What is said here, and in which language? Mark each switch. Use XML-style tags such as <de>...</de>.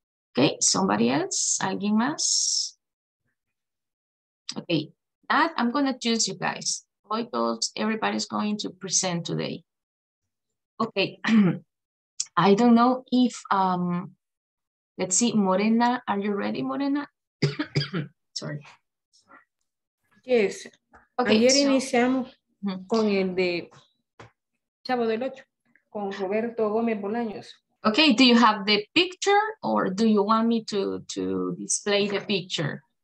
<en>Okay, somebody else?</en> <es>¿Alguien más?</es> <en>Okay, that I'm gonna choose you guys. I thought everybody's going to present today. Okay, I don't know if, let's see, Morena, are you ready, Morena? Sorry. Yes.</en> <es>Okay, ayer iniciamos con el de Chavo del Ocho, con Roberto Gómez Bolaños.</es> <en>Okay, do you have the picture or do you want me to display the picture?</en>